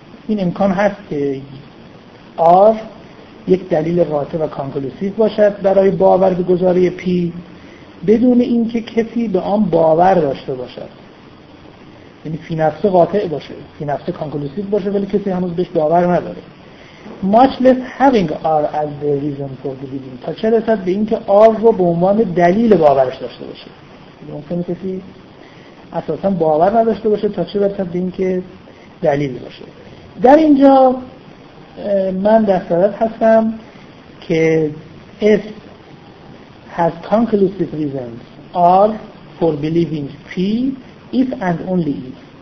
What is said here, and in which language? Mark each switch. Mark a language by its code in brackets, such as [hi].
[fa] این امکان هست که R یک دلیل قاطع و conclusive باشد برای باور به گزاره P بدون اینکه کسی به آن باور داشته باشد. یعنی فی نفسه قاطع باشه، فی نفسه conclusive باشه ولی کسی هنوز بهش باور نداره. [en] Much less having R as the reason for believing. [fa] تا چه رسد به اینکه R رو به عنوان دلیل باورش داشته باشه. ممکنه کسی اساسا باور نداشته باشه، تا چه رسد به اینکه دلیل باشه. در اینجا من در صدد هستم که [en] S has conclusive reasons R for believing P if and only if.